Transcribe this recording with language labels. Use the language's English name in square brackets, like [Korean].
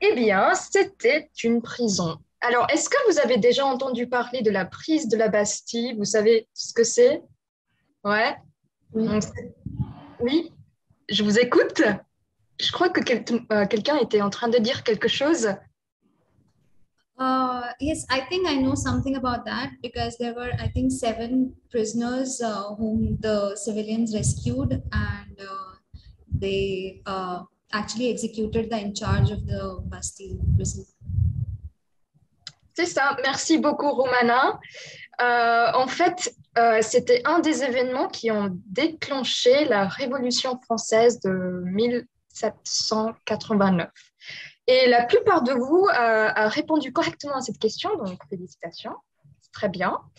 [French] Eh bien, c'était une prison. Alors, est-ce que vous avez déjà entendu parler de la prise de la Bastille ? Vous savez ce que c'est ? Ouais ? Oui ? Je vous écoute ? Je crois que quelqu'un était en train de dire quelque chose. [English] Yes, I think I know something about that because there were, I think, 7 prisoners whom the civilians rescued and they actually executed the in charge of the Bastille prison. [French] C'est ça. Merci beaucoup, Romana. En fait, c'était un des événements qui ont déclenché la Révolution française de 1789. Et la plupart de vous a répondu correctement à cette question, donc félicitations, c'est très bien.